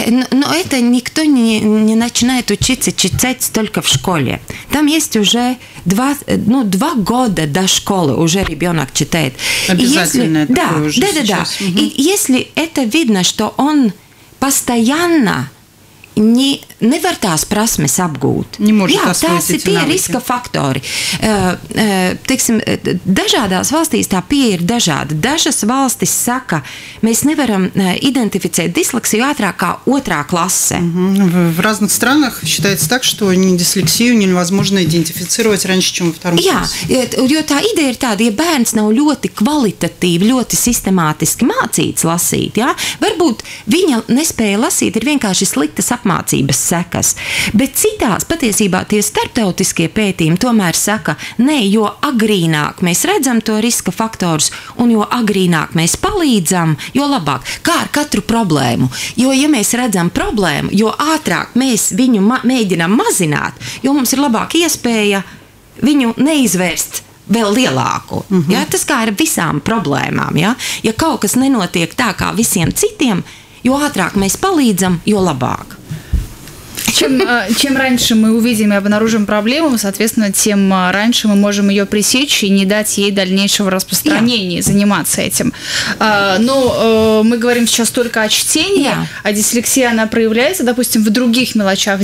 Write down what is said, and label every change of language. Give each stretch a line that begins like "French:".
Russian: Но это никто не начинает учиться читать только в школе. Там есть уже два года до школы уже ребенок читает. Обязательно это да, уже да, сейчас. Да, да, да. Угу. И если это видно, что он постоянно...
Latvian: Не var tās prasmes apgūt. Jā, tās ir tie riska faktori. Teiksim, dažādās valstīs tā pie ir dažāda. Dažas valstis saka, mēs nevaram identificēt disleksiju ātrāk kā otrā klase.
Russian: В разных странах считается так, что ни дислексию невозможно идентифицировать раньше, чем во втором классе.
Latvian: Jā, jo tā ideja ir tāda, ja bērns nav ļoti kvalitatīvi, ļoti sistemātiski mācīts lasīt, jā, varbūt viņa nespēja lasīt, ir vienkārši sliktas apmācības sekas. Bet citās, patiesībā, tie starptautiskie pētījumi tomēr saka, nē, jo agrīnāk mēs redzam to riska faktorus, un jo agrīnāk mēs palīdzam, jo labāk. Kā ar katru problēmu? Jo, ja mēs redzam problēmu, jo ātrāk mēs viņu mēģinām mazināt, jo mums ir labāka iespēja viņu neizvērst vēl lielāku. Mm-hmm. Ja, tas kā ar visām problēmām. Ja? Ja kaut kas nenotiek tā kā visiem citiem, jo ātrāk mēs palīdzam, jo labāk.
Russian: Чем раньше мы увидим и обнаружим проблему, соответственно, тем раньше мы можем ее пресечь и не дать ей дальнейшего распространения заниматься этим. Но мы говорим сейчас только о чтении, а дислексия, она проявляется, допустим, в других мелочах.